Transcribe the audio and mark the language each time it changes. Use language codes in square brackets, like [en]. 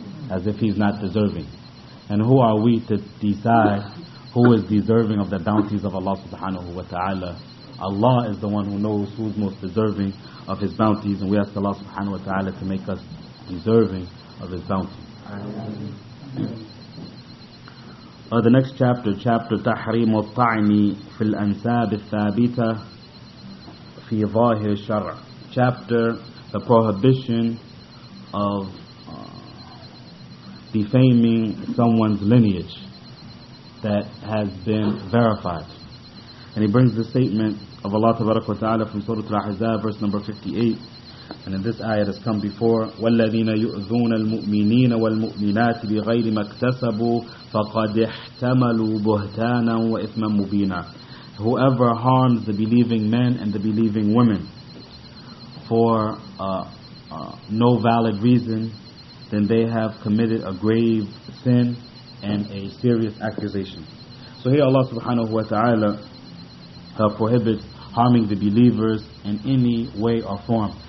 [en] As if he's not deserving. And who are we to decide who is deserving of the bounties of Allah subhanahu wa ta'ala? Allah is the one who knows who's most deserving of His bounties, and we ask Allah subhanahu wa ta'ala to make us deserving of His bounty. The next chapter, chapter [ar] تحريم الطعم في الأنساب الثابتة في ظاهر الشرع. [en] Chapter, the prohibition of defaming someone's lineage that has been verified. And he brings the statement of Allah tabarak wa ta'ala from Surah Al-Ahzab, verse number 58. And in this ayah has come before, [ar] وَالَّذِينَ يُؤْذُونَ الْمُؤْمِنِينَ وَالْمُؤْمِنَاتِ بِغَيْرِ مَا اكْتَسَبُوا فَقَدْ احْتَمَلُوا بُهْتَانًا وَإِثْمًا مُبِينًا. [en] Whoever harms the believing men and the believing women for no valid reason, then they have committed a grave sin and a serious accusation. So here Allah subhanahu wa ta'ala prohibits harming the believers in any way or form.